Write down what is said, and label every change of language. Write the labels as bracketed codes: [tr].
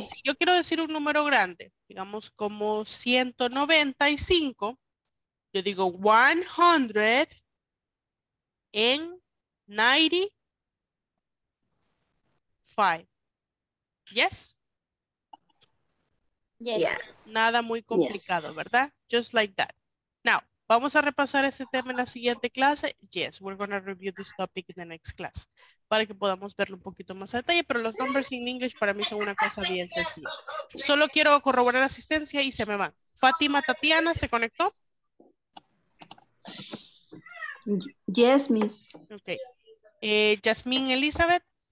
[es] Si yo quiero decir un número grande, digamos como 195, yo digo 100 en 95. [en] ¿Yes? Yes. [es] Nada muy complicado, yes. ¿Verdad? [en] Just like that. [es] Now, ¿vamos a repasar este tema en la siguiente clase? [en] Yes, we're going to review this topic in the next class. [es] Para que podamos verlo un poquito más a detalle, pero los [en] numbers in English [es] para mí son una cosa bien sencilla. Solo quiero corroborar asistencia y se me van. Fátima, Tatiana, ¿se conectó? [en] Yes, miss. Ok. Jasmine, Elizabeth.